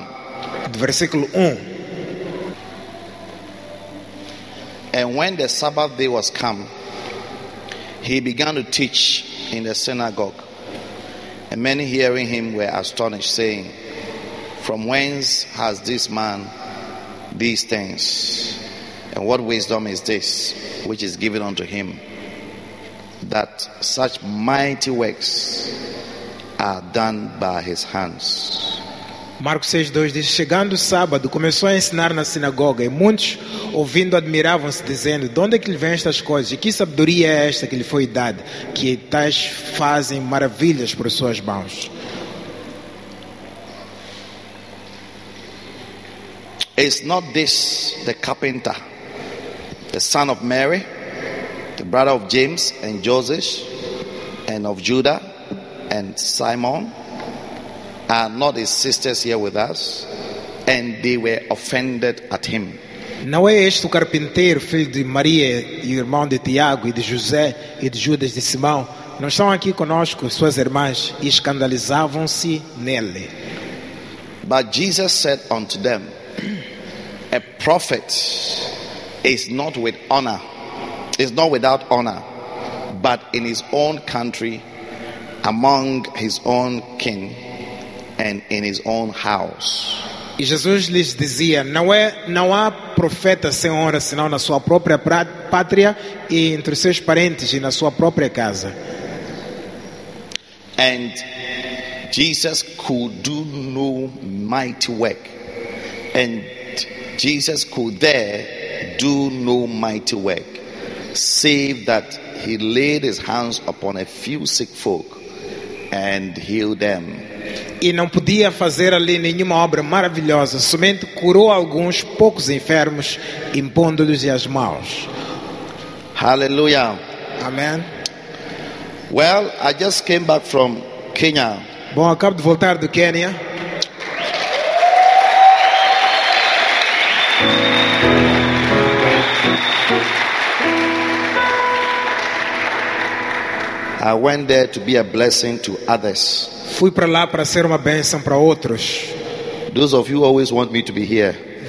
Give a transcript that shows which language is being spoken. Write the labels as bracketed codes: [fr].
[en] And when the Sabbath day was come, he began to teach in the synagogue, and many hearing him were astonished, saying, from whence has this man these things, and what wisdom is this which is given unto him, that such mighty works are done by his hands? [pt] Marcos 6:2 diz: chegando o sábado, começou a ensinar na sinagoga, e muitos, ouvindo, admiravam-se, dizendo: de onde é que lhe vêm estas coisas? E que sabedoria é esta que lhe foi dada, que tais fazem maravilhas por suas mãos? [en] Is not this the carpenter, the son of Mary, the brother of James and Joseph and of Judah and Simon? Are not his sisters here with us? And they were offended at him. [pt] Não é este o carpinteiro, filho de Maria, e irmão de Tiago, e de José, e de Judas, de Simão? Não estão aqui conosco suas irmãs, e escandalizavam-se nele. [en] But Jesus said unto them, a prophet is not with honor, is not without honor, but in his own country, among his own kin, and in his own house. [pt] E Jesus lhes dizia: não há profeta sem honra senão na sua própria pátria e entre os seus parentes e na sua própria casa. [en] And Jesus could do no mighty work. And Jesus could there do no mighty work, save that he laid his hands upon a few sick folk and healed them. [pt] E não podia fazer ali nenhuma obra maravilhosa, somente curou alguns poucos enfermos, impondo-lhes as mãos. [en] Hallelujah. Amen. Well, I just came back from Kenya. [pt] Bom, acabo de voltar do Quênia. [en] I went there to be a blessing to others. [pt] Fui para lá para ser uma bênção para outros. [en] Those of you always want me to be here.